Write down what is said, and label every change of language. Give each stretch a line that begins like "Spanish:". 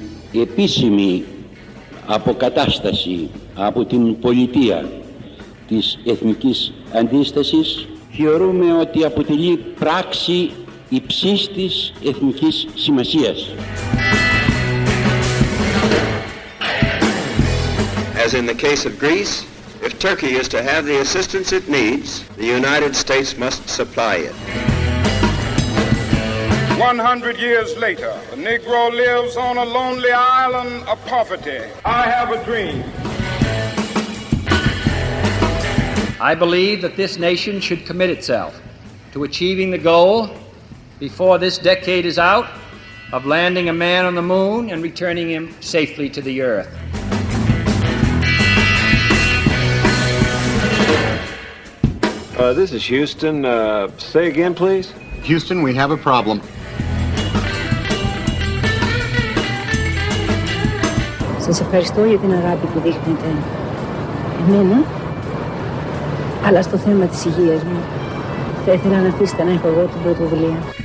Greek: Η επίσημη αποκατάσταση από την πολιτεία της εθνικής αντίστασης θεωρούμε ότι αποτελεί πράξη υψής της εθνικής σημασίας.
English: As in the case of Greece, if Turkey is to have the assistance it needs, the United States must supply it. 100 years later, the Negro lives on a lonely island of poverty. I have a dream. I believe that this nation should commit itself to achieving the goal, before this decade is out, of landing a man on the moon and returning him safely to the earth. This is Houston. Say again, please. Houston, we have a problem.
Greek: Σας ευχαριστώ για την αγάπη που δείχνετε εμένα, αλλά στο θέμα της υγείας μου θα ήθελα να αφήσετε να έχω εγώ την πρωτοβουλία.